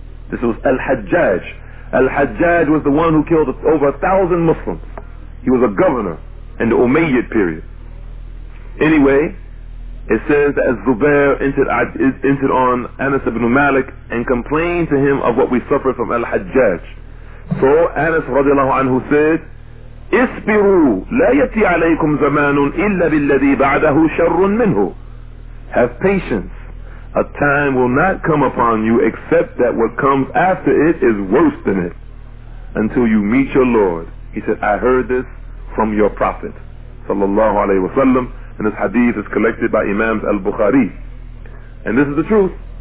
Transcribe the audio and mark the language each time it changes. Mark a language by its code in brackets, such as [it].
[en] This was Al-Hajjaj. Al-Hajjaj was the one who killed over 1,000 Muslims. He was a governor in the Umayyad period. Anyway, it says that as Zubair entered on Anas ibn Malik and complained to him of what we suffered from Al-Hajjaj. So Anas radiallahu anhu said, [ar] اصبروا لا يأتي عليكم زمان إلا بالذي بعده شر منه. [en] Have patience. A time will not come upon you except that what comes after it is worse than it, until you meet your Lord. He said, I heard this from your prophet, sallallahu alayhi wa sallam. And this hadith is collected by Imams al-Bukhari. And this is the truth.